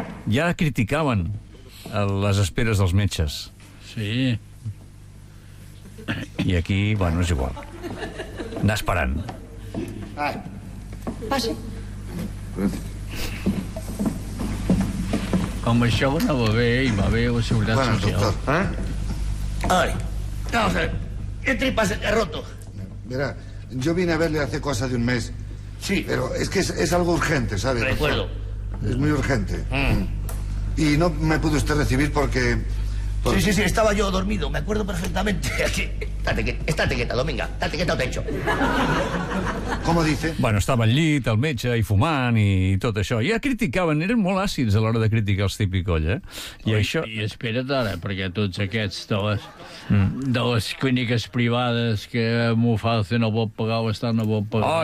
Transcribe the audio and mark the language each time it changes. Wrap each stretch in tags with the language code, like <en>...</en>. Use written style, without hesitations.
<ca>Ja criticaven les esperes dels metges. Sí. I aquí, bueno, és igual. Anar esperant. Passi. Com això anava bé, i va bé la seguretat bueno, social. Doctor, eh?</ca> <es>Ay, vamos a ver, ¿qué tripas he roto? Mira, yo vine a verle hace cosa de un mes. Sí. Pero es que es algo urgente, ¿sabe? Recuerdo. Es muy urgente. Mm. Y no me pudo usted recibir porque, porque... Sí, sí, sí, estaba yo dormido, me acuerdo perfectamente. Estate quieta, Dominga, estate quieta al techo. ¿Cómo dice?</es> <ca>Bueno, estava al llit, al metge, i fumant, i tot això. Ja criticaven, eren molt àcids a l'hora de criticar els típics colla. I oi, això... I espera't ara, perquè tots aquests de les, de les clíniques privades que m'ho fa fer, no pot pagar o estar, no pot pagar.</ca>